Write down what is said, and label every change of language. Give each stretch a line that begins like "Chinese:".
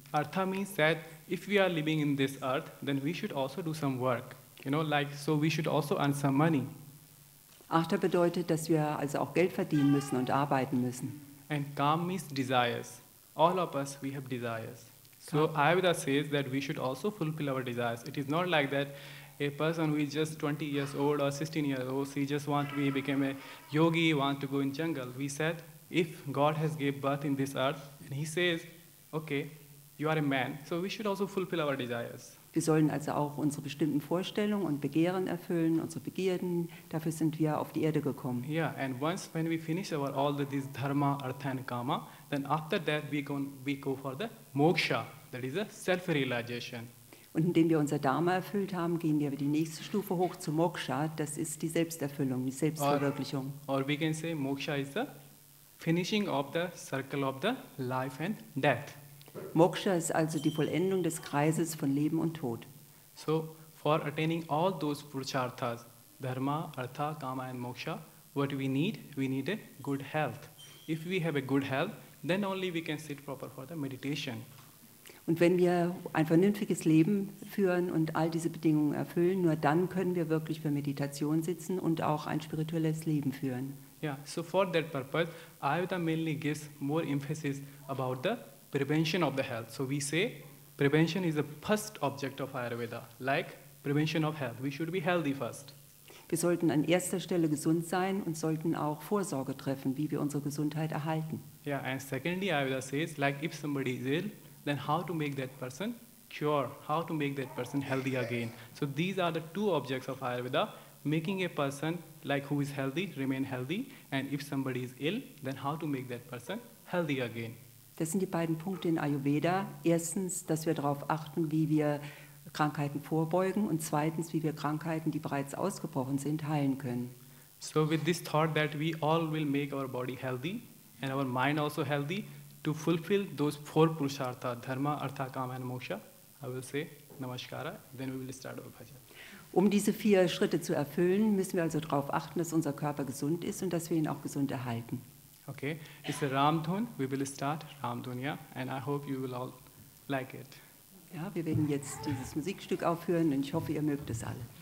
English: Artha means that if we are living in this earth, then we should also do some work. You know, like, so we should also earn some money.
German: Artha bedeutet, dass wir also auch Geld verdienen müssen und arbeiten müssen.
English: And kam means desires. All of us, we have desires. So Ayurveda says that we should also fulfill our desires. It is not like that a person who is just 20 years old or 16 years old, he just wants to be, became a yogi, wants to go in jungle. We said, if God has gave birth in this earth, and he says, okay, you are a man, so we should also fulfill our desires.
German: Wir sollen also auch unsere bestimmten Vorstellungen und Begehren erfüllen, unsere Begierden, dafür sind wir auf die Erde gekommen.
English: Yeah, and once when we finish our all this dharma, artha and kama, then after that we go for the moksha, that is a self-realization.
German: Und indem wir unser Dharma erfüllt haben, gehen wir die nächste Stufe hoch zu Moksha. Das ist die Selbsterfüllung, die Selbstverwirklichung.
English: Or we can say Moksha is the finishing of the circle of the life and death.
German: Moksha ist also die Vollendung des Kreises von Leben und Tod.
English: So for attaining all those purusharthas, Dharma, Artha, Kama and Moksha, what we need a good health. If we have a good health, then only we can sit proper for the meditation.
German: Und wenn wir ein vernünftiges Leben führen und all diese Bedingungen erfüllen, nur dann können wir wirklich für Meditation sitzen und auch ein spirituelles Leben führen.
English: Yeah, so for that purpose, Ayurveda mainly gives more emphasis about the prevention of the health. So we say prevention is the first object of Ayurveda, like prevention of health. We should be healthy first.
German: Wir sollten an erster Stelle gesund sein und sollten auch Vorsorge treffen, wie wir unsere Gesundheit erhalten.
English: Yeah, and secondly, Ayurveda says, like if somebody is ill, then how to make that person cure, how to make that person healthy again. So these are the 2 objects of Ayurveda, making a person like who is healthy, remain healthy, and if somebody is ill, then how to make that person healthy again.
German: Das sind die beiden Punkte in Ayurveda. Erstens, dass wir darauf achten, wie wir Krankheiten vorbeugen und zweitens, wie wir Krankheiten, die bereits ausgebrochen sind, heilen können.
English: So with this thought that we all will make our body healthy and our mind also healthy to fulfill those four purusharthas, dharma, artha, kama and moksha, I will say namaskara, then we will start our bhajan.
German: Um diese vier Schritte zu erfüllen, müssen wir also darauf achten, dass unser Körper gesund ist und dass wir ihn auch gesund erhalten.
English: Okay, it's a Ramdhun, we will start Ramdhun, yeah, and I hope you will all like it.
German: Ja, wir werden jetzt dieses Musikstück aufhören und ich hoffe, ihr mögt es alle.